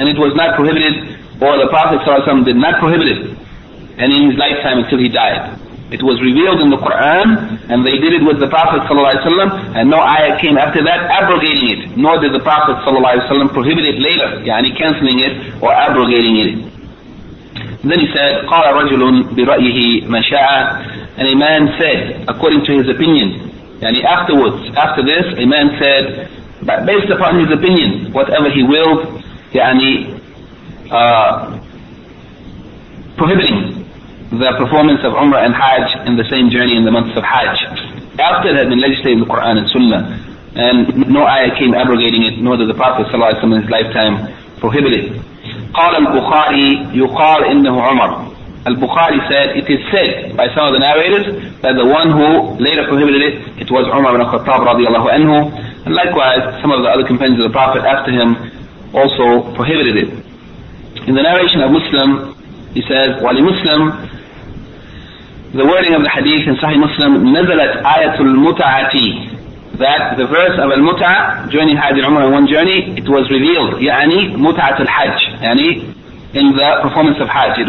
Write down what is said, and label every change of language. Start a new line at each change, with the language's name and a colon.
English: And it was not prohibited, or the Prophet ﷺ did not prohibit it, and in his lifetime until he died. It was revealed in the Qur'an, and they did it with the Prophet ﷺ, and no ayah came after that abrogating it, nor did the Prophet ﷺ prohibit it later, yani cancelling it or abrogating it. Then he said,
Arabic: قَالَ رَجُلٌ بِرَأْيِهِ مَا شَاءَ.
English: And a man said, according to his opinion, yani afterwards, after this, a man said, based upon his opinion, whatever he willed, yani, prohibiting the performance of Umrah and Hajj in the same journey in the months of Hajj, after it had been legislated in the Quran and Sunnah, and no ayah came abrogating it, nor did the Prophet صلى الله عليه وسلم in his lifetime prohibit it.
Arabic: قال البخاري يقال إنه عمر.
English: Al-Bukhari said, it is said by some of the narrators that the one who later prohibited it, it was Umar ibn Khattab radiallahu anhu, and likewise some of the other companions of the Prophet after him also prohibited it. In the narration of Muslim, he says, Wali Muslim, the wording of the hadith in Sahih Muslim,
Arabic: نزلت آية المتعتي,
English: that the verse of Al-Muta, journey Hajj and Umar in one journey, it was revealed,
Arabic: يعني متعة الحج,
English: يعني in the performance of Hajj.